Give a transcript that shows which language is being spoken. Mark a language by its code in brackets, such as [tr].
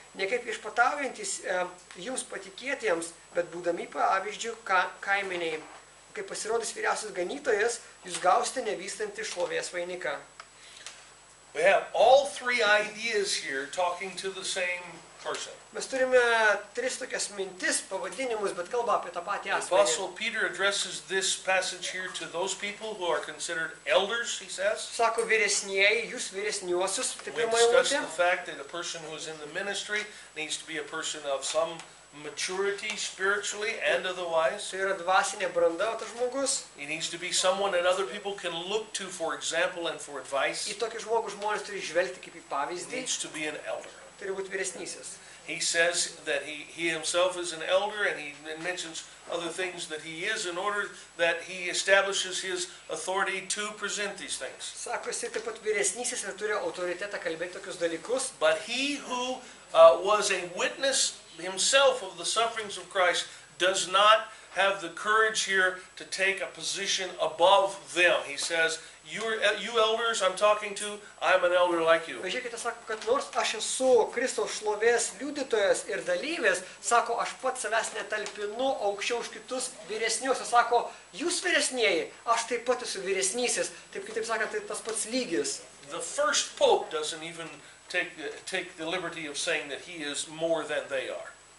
[lt] Ne kaip išpataujantis jums patikėtiems, bet būdami pavyzdžių kaiminiai. Kai pasirodys vyriausias ganytojas, jūs gausite nevystantį šlovės vainiką. [en] We have all three ideas here talking to the same person. [lt] Mes turime tris tokias mintis, pavadinimus, bet kalba apie tą patį asmenį. [en] Apostle Peter addresses this passage here to those people who are considered elders, he says. [lt] Sako vyresnieji, jūs vyresniuosius, taip pirmoje eilutėje. [en] We discussed the fact that a person who is in the ministry needs to be a person of some maturity spiritually and otherwise. [lt] Tai yra dvasinė branda, tas žmogus. [en] He needs to be someone that other people can look to for example and for advice. [lt] Į tokį žmogų žmonės turi žvelgti kaip į pavyzdį. [en] Needs to be an elder. [lt] Turi būti vyresnysis. [en] He says that he himself is an elder and he mentions other things that he is in order that he establishes his authority to present these things. [lt] Sako, jis taip pat vyresnysis ir turi autoritetą kalbėti tokius dalykus. [en] But he who was a witness himself of the sufferings of Christ does not have the courage here to take a position above them. He says, you elders I'm talking to, I'm an elder like you. [lt] Žiūrėkite, sako, kad nors aš esu Kristaus šlovės liudytojas ir dalyvės, sako, aš pats savęs netalpinu aukščiau už kitus vyresnius. Sako, jūs vyresnieji, aš taip pat esu vyresnysis. Taip, kitaip sakant, tai tas pats lygis. [en] The first pope doesn't even take the liberty of saying that he is more than they are.